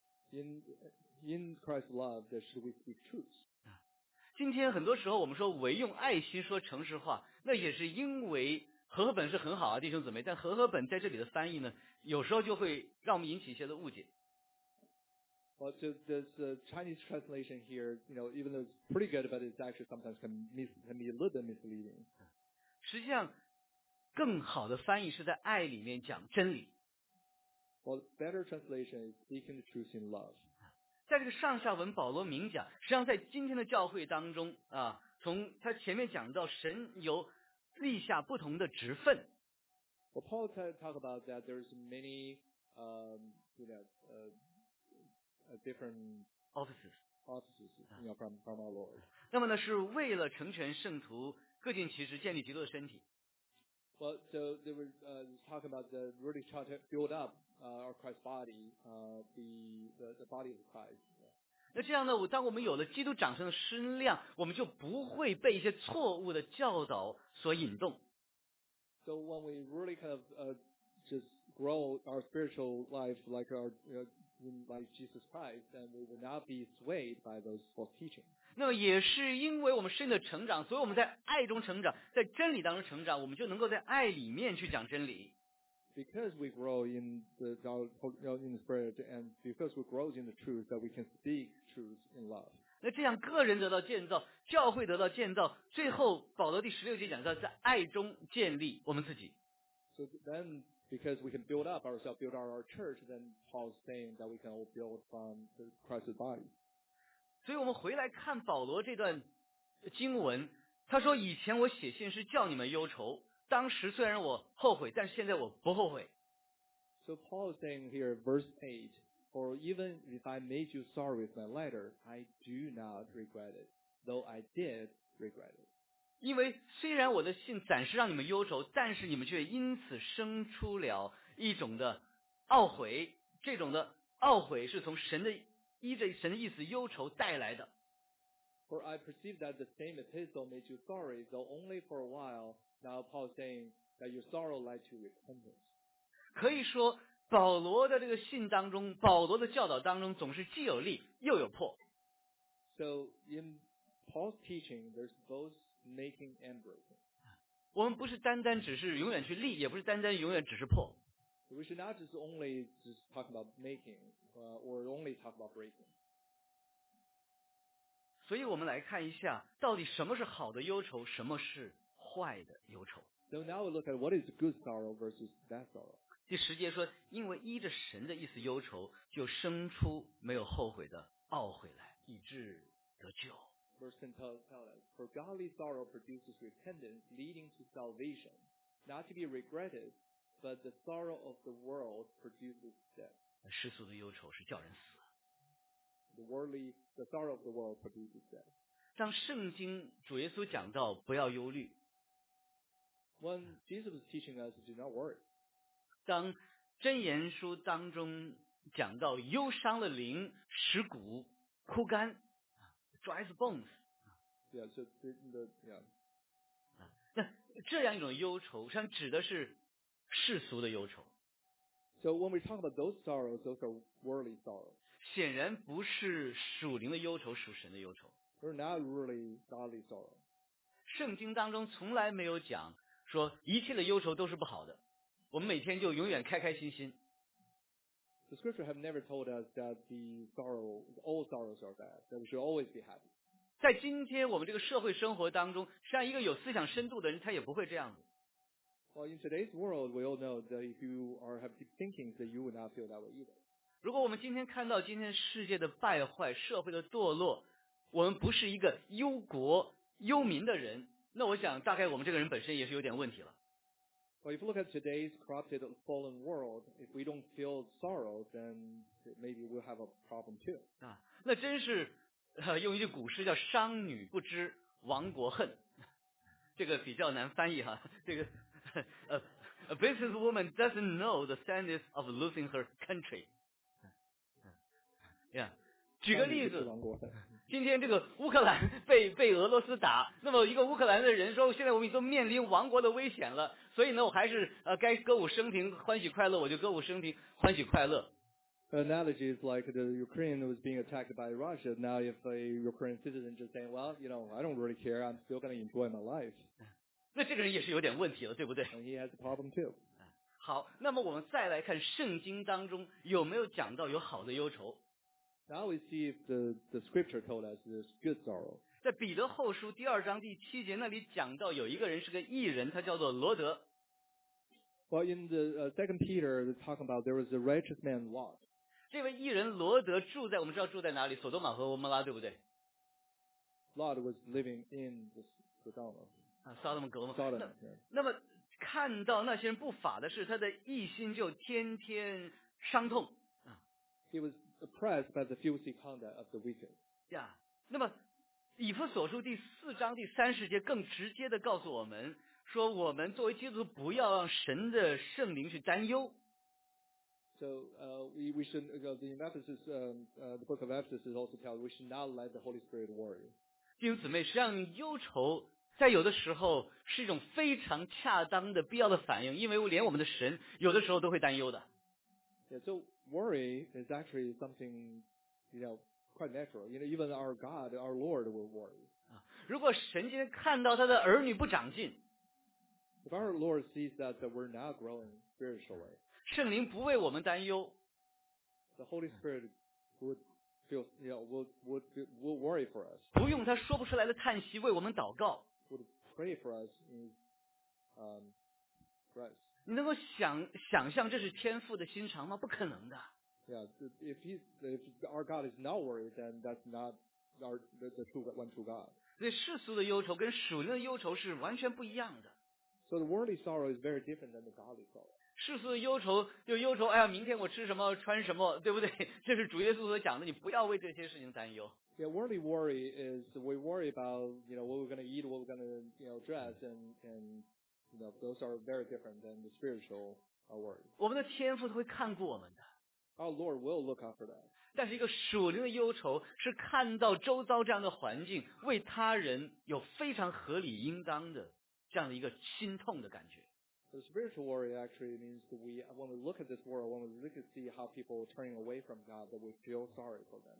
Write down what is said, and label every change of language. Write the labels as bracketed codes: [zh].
[en] In Christ's love, should we speak truth? [zh] 今天很多时候我们说唯用爱心说诚实话，那也是因为和合本是很好啊，弟兄姊妹，但和合本在这里的翻译呢，有时候就会让我们引起一些的误解。 [en] Well, so this Chinese translation here, you know, even though it's pretty good, but it's actually sometimes can be a little bit misleading. [zh] 实际上，更好的翻译是在爱里面讲真理。 [en] Well, better translation is speaking the truth in love. [zh] 在这个上下文，保罗明讲，实际上在今天的教会当中啊，从他前面讲到神有立下不同的职分。 [en] Well, Paul talk about that there's many, you know, different offices, you know, from our Lord. [zh] 那么呢，是为了成全圣徒，各尽其职，建立基督的身体。 [en] Well, so they were talking about the really try to build up our Christ's body, the body of Christ. [zh] 那这样呢，当我们有了基督长成的身量，我们就不会被一些错误的教导所引动。 [en] So when we really kind of just grow our spiritual life like our like Jesus Christ, then we will not be swayed by those false teachings. [zh] 那么也是因为我们生命的成长，所以我们在爱中成长，在真理当中成长，我们就能够在爱里面去讲真理。 [en] Because we grow in the spirit, and because we grow in the truth, that we can speak truth in love. [zh] 那这样，个人得到建造，教会得到建造，最后保罗第十六节讲到，在爱中建立我们自己。 [en] So then. Because we can build up ourselves, build our church, then Paul's saying that we can all build from Christ's body. [zh] 所以我们回来看保罗这段经文，他说以前我写信是叫你们忧愁，当时虽然我后悔，但是现在我不后悔。 [en] So Paul is saying here, verse 8, for even if I made you sorry with my letter, I do not regret it, though I did regret it. [zh] 因为虽然我的信暂时让你们忧愁，但是你们却因此生出了一种的懊悔，这种的懊悔是从神的依着神的意思忧愁带来的。 [en] For I perceive that the same epistle made you sorry, though only for a while. Now Paul saying that your sorrow led to repentance. [zh] 可以说，保罗的这个信当中，保罗的教导当中，总是既有利又有破。 [en] So in Paul's teaching, there's both. Making and breaking. [zh] 我们不是单单只是永远去立，也不是单单永远只是破。 [en] We should not just only just talk about making, or only talk about breaking. [zh] 所以我们来看一下，到底什么是好的忧愁，什么是坏的忧愁。 [en] So now we look at what is good sorrow versus bad sorrow. [zh] 第十节说，因为依着神的意思忧愁，就生出没有后悔的懊悔来，以致得救。 [en] Verse 10 tells us, for godly sorrow produces repentance leading to salvation, not to be regretted, but the sorrow of the world produces death. [zh] 世俗的忧愁是叫人死。 [en] The sorrow of the world produces death. [zh] 当圣经主耶稣讲到不要忧虑。 [en] When Jesus is teaching us, do not worry. [zh] 当箴言书当中讲到忧伤了灵，使骨枯干。 [en] Dries bones. Yeah, so the, yeah. [zh] 那这样一种忧愁，实际上指的是世俗的忧愁。 [en] So when we talk about those sorrows, those are worldly sorrows. [zh] 显然不是属灵的忧愁，属神的忧愁。 [en] They're not really godly sorrows. [zh] 圣经当中从来没有讲说一切的忧愁都是不好的，我们每天就永远开开心心。 [en] The scripture have never told us that the sorrow, all sorrows are bad, that we should always be happy. [zh] 在今天我们这个社会生活当中，实际上一个有思想深度的人，他也不会这样子。 [en] Well, in today's world, we all know that if you are have deep thinking, that you would not feel that way either. [zh] 如果我们今天看到今天世界的败坏、社会的堕落，我们不是一个忧国忧民的人，那我想大概我们这个人本身也是有点问题了。 [en] Well, if you look at today's corrupted fallen world, if we don't feel sorrow, then maybe we'll have a problem too. [zh] 啊，那真是、用一句古诗叫商女不知亡国恨，这个比较难翻译哈，这个 [en] A businesswoman doesn't know the sadness of losing her country. Yeah. [zh] 举个例子，今天这个乌克兰被俄罗斯打，那么一个乌克兰的人说，现在我们都面临亡国的危险了，所以呢，我还是该歌舞升平，欢喜快乐，我就歌舞升平，欢喜快乐。 [en] Analogy is like the Ukraine was being attacked by Russia. Now, if a Ukrainian citizen just saying, "Well, you know, I don't really care. I'm still going to enjoy my life." [zh] 那这个人也是有点问题了，对不对？ [en] He has a problem too. [zh] 好，那么我们再来看圣经当中有没有讲到有好的忧愁。 [en] Now we see if the scripture told us there's good sorrow. [zh] 在彼得后书第二章第七节那里讲到有一个人是个义人，他叫做罗德。 [en] Well, in the Second Peter, they're talking about there was a righteous man Lot. [zh] 这位义人罗德住在我们知道住在哪里？索多玛和蛾摩拉，对不对 [en] ？Lot was living in the Sodom. [zh] 啊，撒旦格吗 [en] ？Sodom. [zh] 那么看到那些人不法的事，他的一心就天天伤痛。 [en] He was oppressed by the filthy conduct of the wicked. [zh] 呀，那么以弗所书第四章第三十节更直接的告诉我们说，我们作为基督徒不要让神的圣灵去担忧。 [en] So we should the Ephesians the book of Ephesians is also tell we should not let the Holy Spirit worry. [zh] 弟兄姊妹，实际上忧愁在有的时候是一种非常恰当的必要的反应，因为连我们的神有的时候都会担忧的。 [en] Yeah, so worry is actually something you know quite natural. You know, even our God, our Lord will worry. [zh] 如果神今天看到他的儿女不长进 [en] ，If our Lord sees that we're not growing spiritually. [zh] 圣灵不为我们担忧 [en] ，The Holy Spirit would feel, you know, would worry for us. [zh] 不用他说不出来的叹息为我们祷告 [en] ，Would pray for us in, rest. [zh] 你能够想象这是天父的心肠吗？不可能的。 [en] Yeah, if our God is not worried, then that's not our the true one true God. [zh] 所以世俗的忧愁跟属灵的忧愁是完全不一样的。 [en] So the worldly sorrow is very different than the godly sorrow. [zh] 世俗的忧愁就忧愁，哎呀，明天我吃什么，穿什么，对不对？这是主耶稣所讲的，你不要为这些事情担忧。 [en] Yeah, worldly worry is we worry about you know what we're going to eat, what we're going to you know dress, and you know those are very different than the spiritual worry. [zh] 我们的天父会看顾我们的。 [en] Our Lord will look after that. [zh] 但是一个属灵的忧愁是看到周遭这样的环境，为他人有非常合理应当的这样的一个心痛的感觉。 [en] The spiritual worry actually means that we, when we look at this world, when we look and see how people are turning away from God, that we feel sorry for them.